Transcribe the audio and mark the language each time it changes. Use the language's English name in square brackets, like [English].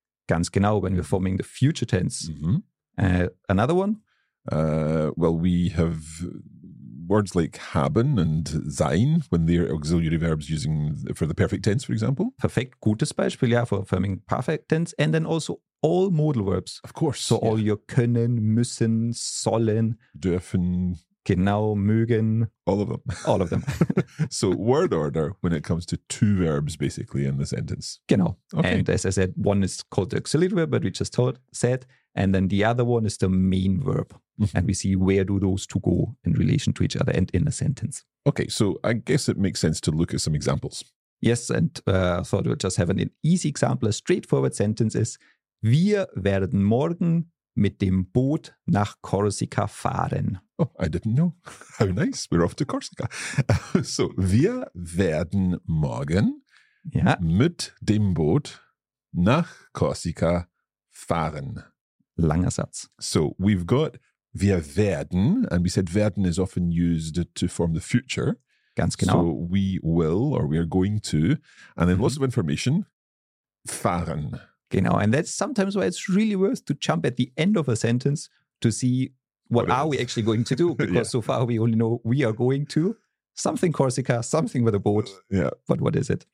[German] Ganz genau, [English] when we're forming the future tense. Mm-hmm. Another one? We have words like haben and sein, when they're auxiliary verbs using for the perfect tense, for example. [German] Perfekt. Gutes Beispiel, ja, [English] for forming perfect tense. And then also all modal verbs. Of course. So all your können, müssen, sollen. [German] Dürfen. Genau, mögen. [English] All of them. All of them. So word order when it comes to two verbs, basically, in the sentence. [German] Genau. [English] Okay. And as I said, one is called the auxiliary verb, but we just said. And then the other one is the main verb. Mm-hmm. And we see where do those two go in relation to each other and in a sentence. Okay, so I guess it makes sense to look at some examples. Yes, and I thought we'd just have an easy example. A straightforward sentence is, [German] wir werden morgen mit dem Boot nach Korsika fahren. [English] Oh, I didn't know. How nice. We're off to Korsika. [German] So, wir werden morgen mit dem Boot nach Korsika fahren. Langer Satz. [English] So, we've got [German] wir werden, [English] and we said werden is often used to form the future. [German] Ganz genau. [English] So, we will, or we are going to, and then lots of information, fahren. [German] Genau, [English] and that's sometimes why it's really worth to jump at the end of a sentence to see what are we actually going to do, because so far we only know we are going to something Corsica, something with a boat, but what is it?